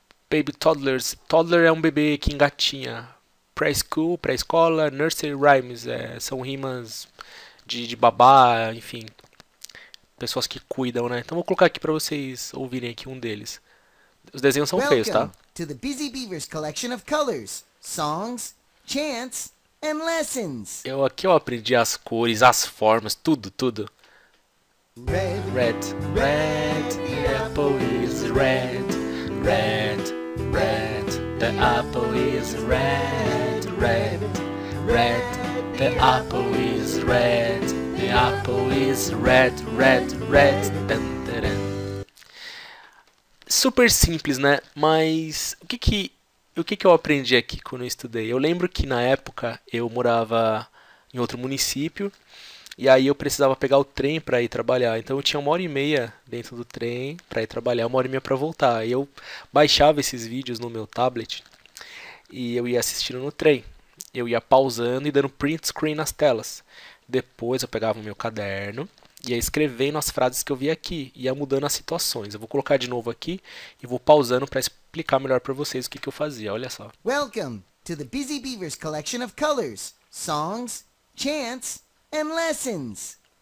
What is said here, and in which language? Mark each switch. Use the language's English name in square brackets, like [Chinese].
[English] Baby toddlers. [Portuguese] Toddler é um bebê que engatinha. Preschool, pré-escola. [English] Nursery rhymes. [Portuguese] São rimas de babá, enfim. Pessoas que cuidam, né? Então vou colocar aqui pra vocês ouvirem aqui um deles. Os desenhos são feios, tá? [English] Welcome to the Busy Beaver's collection of colors, songs, chants, and lessons. [Portuguese] Aqui eu aprendi as cores, as formas, tudo, tudo. [English] Red, Red, red, red, the apple is red. Red, red, the apple is red, red, red, the apple is red, the apple is red, red, red, tantaran. [Portuguese] Super simples, né? Mas o que que eu aprendi aqui quando eu estudei? Eu lembro que na época eu morava em outro município e aí eu precisava pegar o trem para ir trabalhar. Então eu tinha 1h30 dentro do trem para ir trabalhar, 1h30 para voltar. E eu baixava esses vídeos no meu tablet e eu ia assistindo no trem. Eu ia pausando e dando print screen nas telas. Depois eu pegava o meu caderno e ia escrevendo as frases que eu via aqui, ia mudando as situações. Eu vou colocar de novo aqui e vou pausando para explicar melhor para vocês o que que eu fazia. Olha só. [English] Welcome to the Busy Beaver's collection of colors, songs, chants, and lessons.